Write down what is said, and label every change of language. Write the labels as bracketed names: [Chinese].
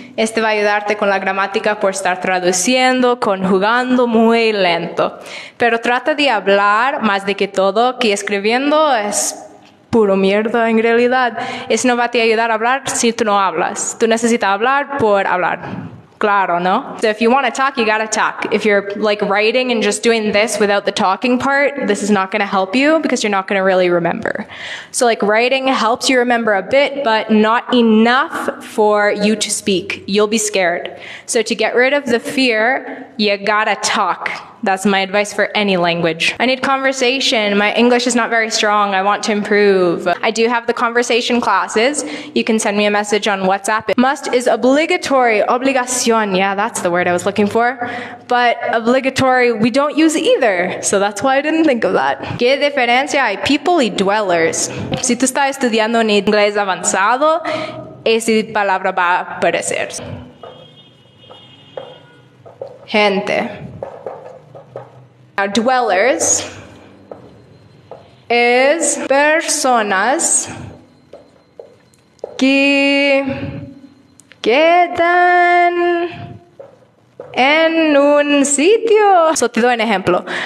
[Spanish] Este va a ayudarte con la gramática por estar traduciendo, conjugando muy lento. Pero trata de hablar más de que todo, que escribiendo es puro mierda en realidad. Eso no va a te ayudar a hablar si tú no hablas. Tú necesitas hablar por hablar. Claro, ¿no? [English] So if you want to talk, you gotta talk. If you're like writing and just doing this without the talking part, this is not going to help you because you're not going to really remember. So like writing helps you remember a bit, but not enough for you to speak. You'll be scared. So to get rid of the fear, you gotta talk. That's my advice for any language. I need conversation. My English is not very strong. I want to improve. I do have the conversation classes. You can send me a message on WhatsApp. Must is obligatory. Obligación. Yeah, that's the word I was looking for. But obligatory, we don't use either. So that's why I didn't think of that. [Spanish] ¿Qué diferencia hay? People y dwellers. Si tú estás estudiando en inglés avanzado, esa palabra va a aparecer. Gente. [English] Now, dwellers is [Spanish] personas que quedan en un sitio. So, te doy un ejemplo.